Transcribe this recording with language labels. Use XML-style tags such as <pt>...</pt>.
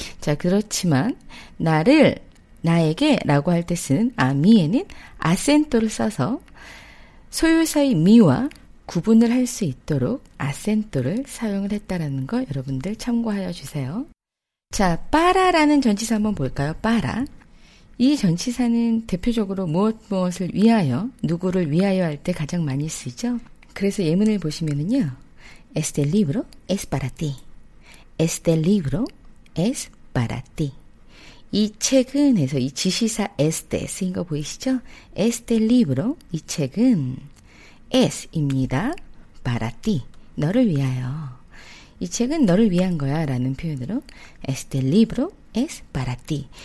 <ko>자, 그렇지만 나를 나에게 라고 할 때 쓰는 아, me에는 accent를 써서 소유사의 me와 구분을 할 수 있도록 accent를 사용을 했다라는 거 여러분들 참고하여 주세요. 자, para라는 전치사 한번 볼까요? para. 이 전치사는 대표적으로 무엇 무엇을 위하여, 누구를 위하여 할 때 가장 많이 쓰죠. 그래서 예문을 보시면은요.</ko> <es>Este libro es para ti. Este libro es para ti.</es> <ko>이 책은 해서 이 지시사 este 쓰인 거 보이시죠? Este libro, 이 책은 es입니다. Para ti, 너를 위하여. 이 책은 너를 위한 거야 라는 표현으로</ko> <es>Este libro es para ti.</es>